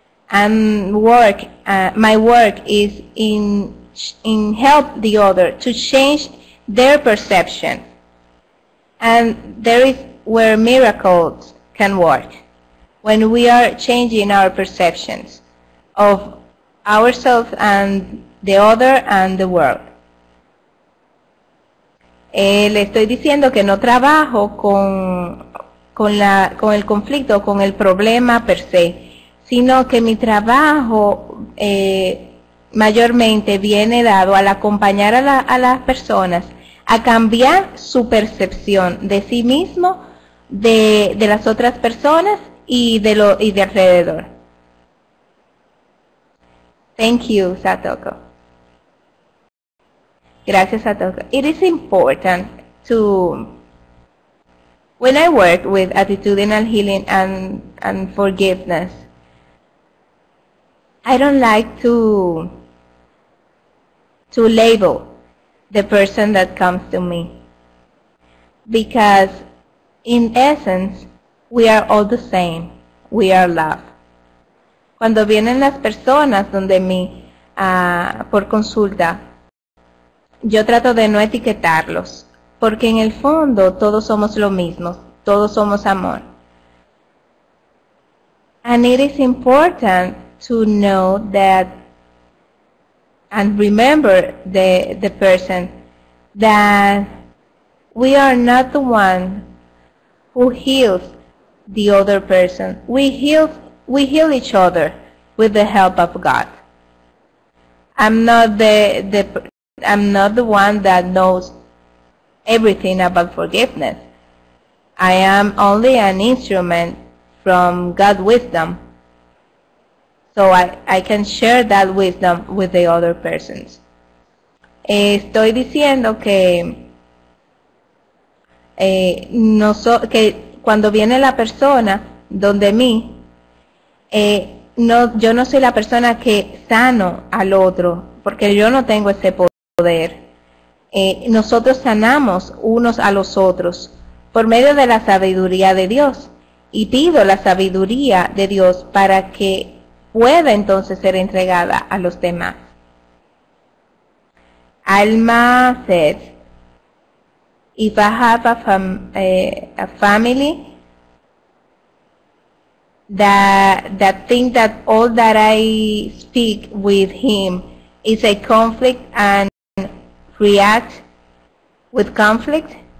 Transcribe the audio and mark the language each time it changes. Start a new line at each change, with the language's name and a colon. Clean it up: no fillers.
English: My work is in help the other to change their perception. And there is where miracles can work, when we are changing our perceptions of ourselves and the other and the world.
Spanish: Le estoy diciendo que no trabajo con el conflicto, con el problema per se, sino que mi trabajo mayormente viene dado al acompañar a las personas a cambiar su percepción de sí mismo, de las otras personas y de alrededor.
English: Thank you, Satoko.
Spanish: Gracias, Satoko.
English: It is important to, when I work with attitudinal healing and forgiveness, I don't like to label the person that comes to me, because in essence, we are all the same. We are love.
Spanish: Cuando vienen las personas donde mí por consulta, yo trato de no etiquetarlos, porque en el fondo todos somos lo mismo, todos somos amor.
English: And it is important to know that and remember the person that we are not the one who heals the other person. We heal each other with the help of God. I'm not the one that knows everything about forgiveness. I am only an instrument from God's wisdom. So I can share that wisdom with the other persons.
Spanish: Estoy diciendo que que cuando viene la persona donde mí, yo no soy la persona que sano al otro, porque yo no tengo ese poder. Nosotros sanamos unos a los otros por medio de la sabiduría de Dios, y pido la sabiduría de Dios para que pueda entonces ser entregada a los demás.
English: Alma said, if I have a family that think that all that I speak with him is a conflict and react with conflict.